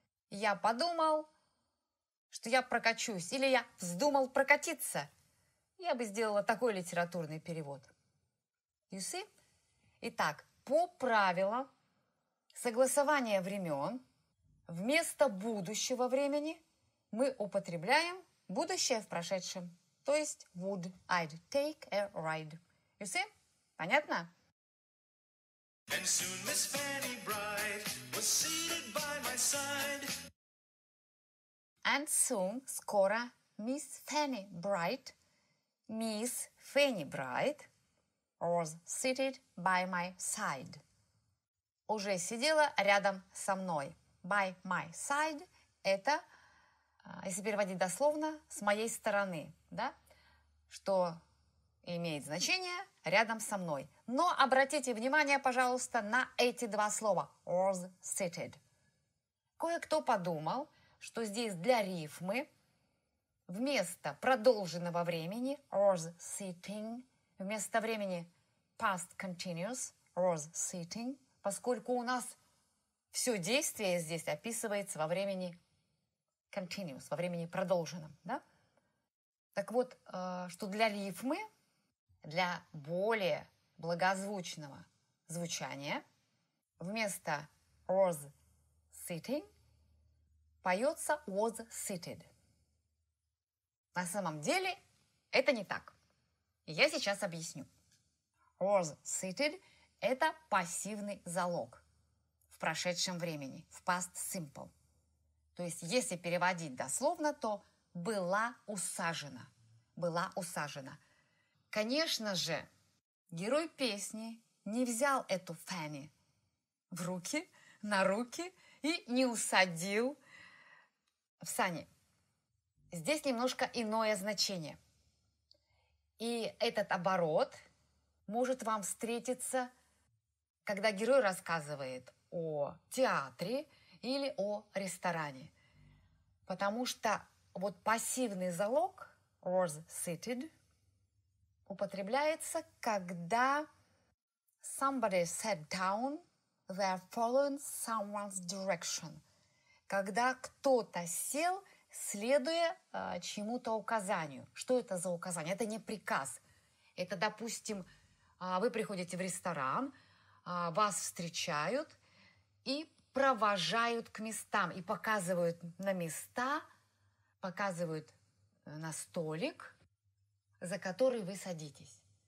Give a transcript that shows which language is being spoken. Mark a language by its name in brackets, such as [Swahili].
[Russian] Я подумал, что я прокачусь, или я вздумал прокатиться. Я бы сделала такой литературный перевод. [English] You see? [Russian] Итак, по правилам согласования времен вместо будущего времени мы употребляем будущее в прошедшем. То есть [English] would I'd take a ride. You see? [Russian] Понятно? [English] And soon Miss Fanny Bride was seated by my side. And soon, [Russian] скоро, [English] Miss Fanny Bride, Miss Fanny Bride, was seated by my side. [Russian] Уже сидела рядом со мной. [English] By my side [Russian] – это, если переводить дословно, с моей стороны, да? Что имеет значение – рядом со мной. Но обратите внимание, пожалуйста, на эти два слова. [English] Was seated. [Russian] Кое-кто подумал, что здесь для рифмы вместо продолженного времени [English] was sitting, [Russian] вместо времени [English] past continuous was sitting, [Russian] поскольку у нас все действие здесь описывается во времени continuous, во времени продолженном. Да? Так вот, что для рифмы, для более благозвучного звучания вместо [English] was sitting [Russian] поется [English] was seated. [Russian] На самом деле это не так. Я сейчас объясню. [English] Was seated [Russian] – это пассивный залог в прошедшем времени, в past simple. То есть, если переводить дословно, то была усажена. Была усажена. Конечно же, герой песни не взял эту Фанни в руки, на руки и не усадил в сани. Здесь немножко иное значение. И этот оборот может вам встретиться, когда герой рассказывает о театре или о ресторане. Потому что вот пассивный залог was seated употребляется, когда [English] somebody sat down, they are following someone's direction. [Russian] Когда кто-то сел, следуя чьему-то указанию. Что это за указание? Это не приказ. Это, допустим, вы приходите в ресторан, вас встречают и провожают к местам, и показывают на места, показывают на столик, за который вы садитесь.